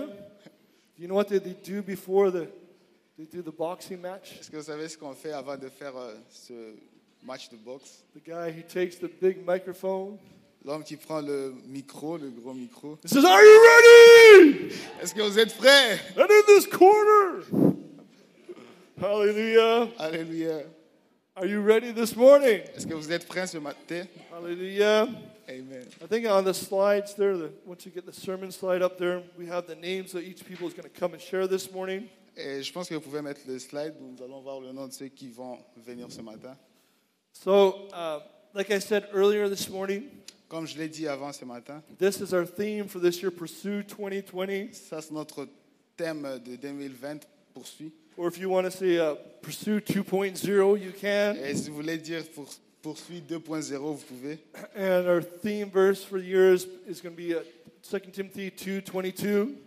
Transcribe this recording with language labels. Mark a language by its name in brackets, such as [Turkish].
[English] Do you know what they do before they do the boxing match? [French] Est-ce que vous savez ce qu'on fait avant de faire ce match de boxe? [English] The guy, he takes the big microphone. [French] L'homme qui prend le micro, le gros micro. [English] He says, "Are you ready?" [French] Est-ce que vous êtes prêts? [English] And in this corner. Hallelujah. Hallelujah. Are you ready this morning? [French] Est-ce que vous êtes prêts ce matin? Hallelujah. Amen. [English] I think on the slides there, once you get the sermon slide up there, we have the names of each people is going to come and share this morning. [French] Et je pense que vous pouvez mettre le slide où nous allons voir le nom de ceux qui vont venir ce matin. [English] So, like I said earlier this morning, [French] comme je l'ai dit avant ce matin, [English] this is our theme for this year, Pursue 2020. [French] Ça, c'est notre thème de 2020, Poursuit. [English] Or if you want to say Pursue 2.0, you can. [French] Et si vous voulez dire Poursuit 2.0, vous pouvez. [English] And our theme verse for the year is going to be 2 Timothy 2.22.